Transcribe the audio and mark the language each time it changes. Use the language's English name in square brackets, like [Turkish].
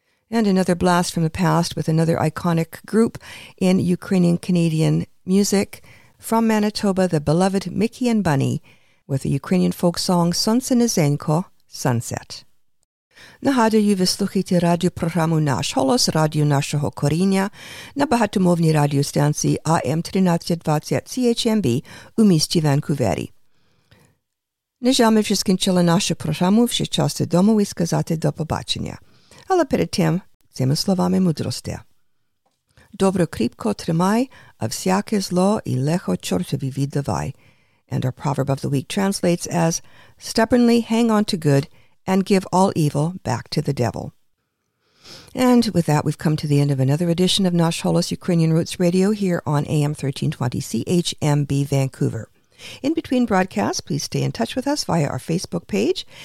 [English] And another blast from the past with another iconic group in Ukrainian-Canadian music. From Manitoba, the beloved Mickey and Bunny with the Ukrainian folk song Sonce Nizhenko, Sunset. [Ukrainian] Нагадую, ви слухаєте радіопрограму «Наш Голос», радіо нашого коріння на багатомовній радіостанції АМ 1320 CHMB у місті Ванкувері. На жаль, ми вже скінчили нашу програму, вже час додому і сказати до побачення. Але перед тим, цими словами мудрості. Добре кріпко тримай, а всяке зло і лехо чортові віддавай. [English] And our proverb of the week translates as, stubbornly hang on to good, and give all evil back to the devil. And with that, we've come to the end of another edition of Nash Holos Ukrainian Roots Radio here on AM 1320 CHMB Vancouver. In between broadcasts, please stay in touch with us via our Facebook page.